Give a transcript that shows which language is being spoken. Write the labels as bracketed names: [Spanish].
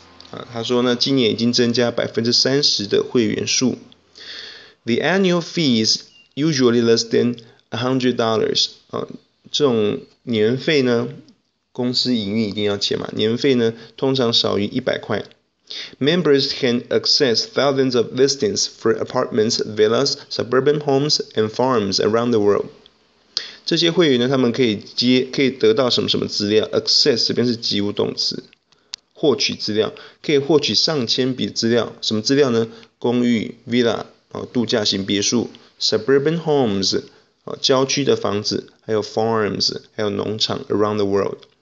[Chinese] 啊，他说呢，今年已经增加30%的会员数。 [English] The annual fee is usually less than $100。 [Chinese] 啊，这种年费呢？公司营运一定要钱嘛，年费呢通常少于100块。 [English] Members can access thousands of listings for apartments, villas, suburban homes and farms around the world。 [Chinese] 这些会员呢，他们可以得到什么什么资料 ？Access 这边是及物动词，获取资料，可以获取上千笔资料，什么资料呢？公寓 villa 啊，度假型别墅 ， [English] suburban homes [Chinese] 啊，郊区的房子，还有 farms 还有农场 [English] around the world。